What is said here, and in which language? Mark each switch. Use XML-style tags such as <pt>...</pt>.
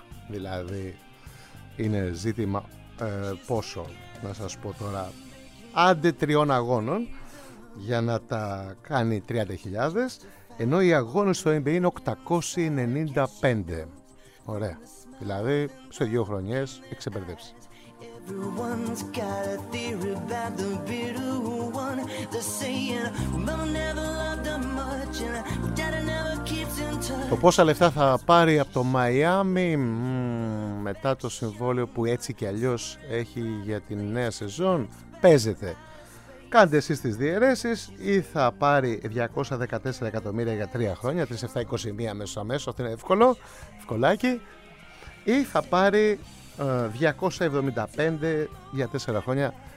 <el>Δηλαδή είναι ζήτημα πόσο, να σας πω τώρα, άντε τριών αγώνων για να τα κάνει 30.000, ενώ οι αγώνες στο NBA είναι 895. Ωραία. Δηλαδή σε δύο χρονιές εξεμπερδέψει.</el> <en>Everyone's got a theory about the bitter one. They're saying mama never loved her much and daddy never keeps in touch.</en> <el>Το πόσα λεφτά θα πάρει από το Μαϊάμι μετά το συμβόλαιο που έτσι και αλλιώς έχει για την νέα σεζόν, παίζεται. Κάντε εσείς τις διαιρέσεις, ή θα πάρει 214 εκατομμύρια για 3 χρόνια, 3721 αμέσως, αυτό είναι εύκολο, ευκολάκι, ή θα πάρει 275 για 4 χρόνια.</el>